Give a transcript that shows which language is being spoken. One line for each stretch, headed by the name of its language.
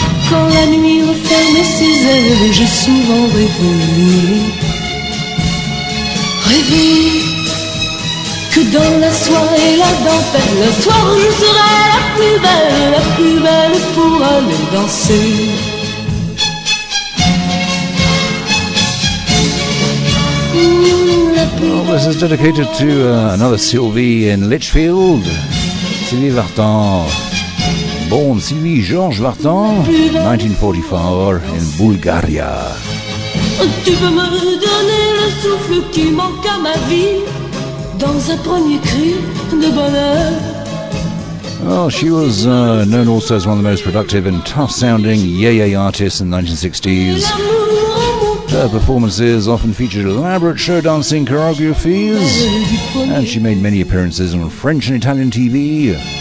French: Quand la nuit referme ses ailes et j'ai souvent rêvé. Rêver que dans la soie et la dentelle, un soir je serai la plus belle pour aller danser.
English: Well, this is dedicated to another Sylvie in Litchfield. Sylvie Vartan. Born Sylvie Georges Vartan, 1944, in Bulgaria.
French: Tu peux me donner le souffle qui manque à ma vie dans un premier cri de bonheur.
English: Well, she was known also as one of the most productive and tough-sounding yay-yay artists in the 1960s. Her performances often featured elaborate show dancing choreographies, and she made many appearances on French and Italian TV.